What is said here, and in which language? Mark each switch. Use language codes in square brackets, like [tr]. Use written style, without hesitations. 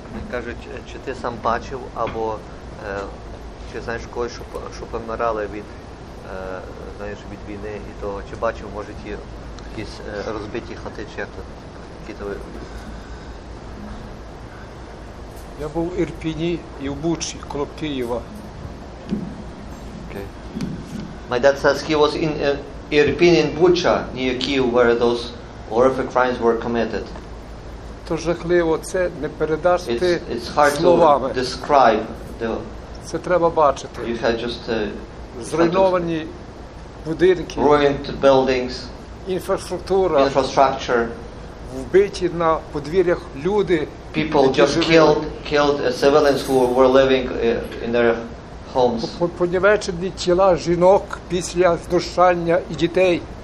[uk] Кажуть, чи ти сам бачив або чи знаєш когось, що помирали від знаєш від війни і того, чи бачив, може, ті якісь розбиті хати чи якісь? Я був у Ірпіні і в Бучі, коло Києва. [en] Okay. My dad says he was in Ірпінь і Буча, near Kyiv, where those horrific crimes were committed. [uk] То жахливо, це не передасти словами. [en] It's hard [uk] словами. [en] To describe. The... [uk] Це треба бачити. [en] You had just [uk] зруйновані будинки. [en] Ruined buildings. [uk] Інфраструктура. [en] Infrastructure. [uk] Вбиті на подвір'ях люди. [en] People just killed civilians who were living in their homes. [uk] Понівечені тіла жінок після знущання і дітей.